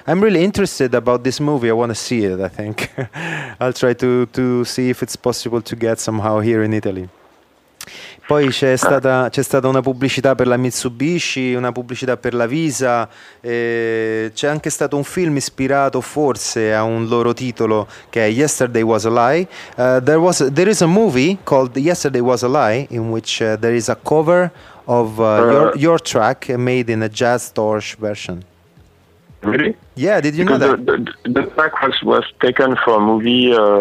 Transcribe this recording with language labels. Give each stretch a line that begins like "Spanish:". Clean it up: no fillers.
English: I'm really interested about this movie, I want to see it, I think. I'll try to see if it's possible to get somehow here in Italy.
Italian: Poi c'è stata una pubblicità per la Mitsubishi, una pubblicità per la Visa, c'è anche stato un film ispirato forse a un loro titolo che è Yesterday Was a Lie.
English: There is a movie called Yesterday Was a Lie in which there is a cover of your track made in a jazz torch version. Really? Yeah, did you Because know that? The track was taken for a movie...